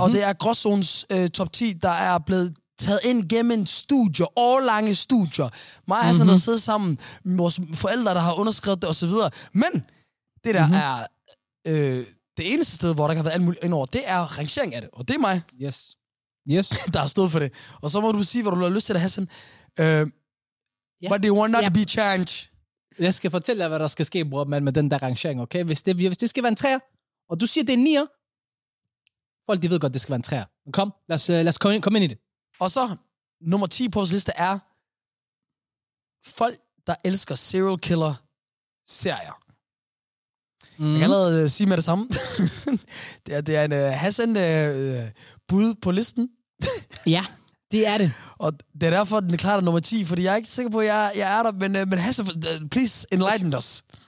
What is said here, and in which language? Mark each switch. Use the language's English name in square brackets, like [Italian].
[Danish] Og det er Gråzones top 10, der er blevet... taget ind gennem en studie, årlange studier. Mig og Hassan har siddet sammen med vores forældre, der har underskrevet det osv. Men det der er det eneste sted, hvor der kan være alt muligt indover, det er rangering af det. Og det er mig, [English] yes. [Danish] Der har stået for det. Og så må du sige, hvad du har lyst til at have sådan. [English] But they will not be changed. [Danish] Jeg skal fortælle dig, hvad der skal ske, bror, med den der rangering, okay? Hvis det skal være en træer, og du siger, det er en nier, folk de ved godt, det skal være en træer. Men kom, lad os komme ind i det. Og så, nummer 10 på vores liste er, folk, der elsker serial killer-serier. Mm. Jeg kan allerede sige med det samme. det er en Hassan-bud på listen. Ja, det er det. Og det er derfor, den er klart nummer 10, fordi jeg er ikke sikker på, at jeg er der. Men [English] Hassan, please enlighten us.